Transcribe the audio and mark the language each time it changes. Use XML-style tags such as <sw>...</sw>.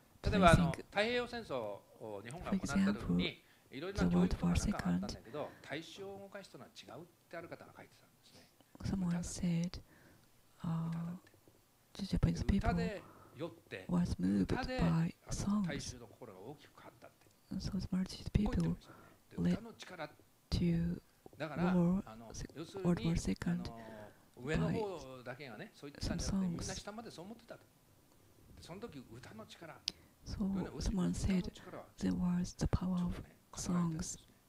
<ja>例えば太平洋戦争を日本が行った時にいろいろな教育とかなんかあったんだけど大衆を動かしたのは違うってある方が書いてたんですね。</ja> <en>Someone said, the Japanese people was moved by songs.</en> <ja>の心が大きく変わったって。</ja> <en>So the Japanese people led to war, World War II</en> <ja>上の方だけがね、そういったんじゃなくてみんな下までそう思ってたと。その時歌の力。</ja> <en>So someone said there was the power of songs。</en>